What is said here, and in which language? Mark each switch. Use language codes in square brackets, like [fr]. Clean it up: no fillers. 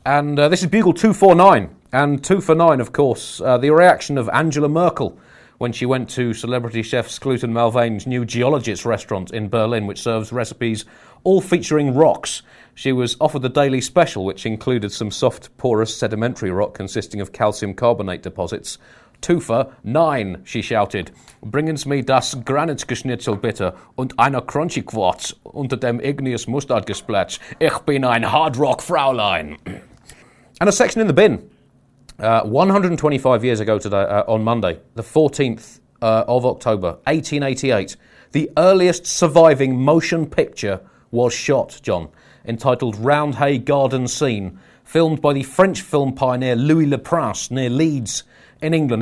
[en] And this is Bugle 249. And 249, of course, the reaction of Angela Merkel when she went to celebrity chef Skluten Malvane's new geologist restaurant in Berlin, which serves recipes all featuring rocks. She was offered the daily special, which included some soft, porous, sedimentary rock consisting of calcium carbonate deposits. 2 for 9, she shouted. [de] Bringen Sie mir das Granitgeschnitzel bitte und eine crunchy Quartz unter dem igneous mustard gesplatsch. Ich bin ein Hard Rock Fraulein. [en] And a section in the bin. 125 years ago today, on Monday, the 14th of October, 1888, the earliest surviving motion picture was shot, John, entitled Roundhay Garden Scene, filmed by the French film pioneer Louis Le Prince near Leeds in England.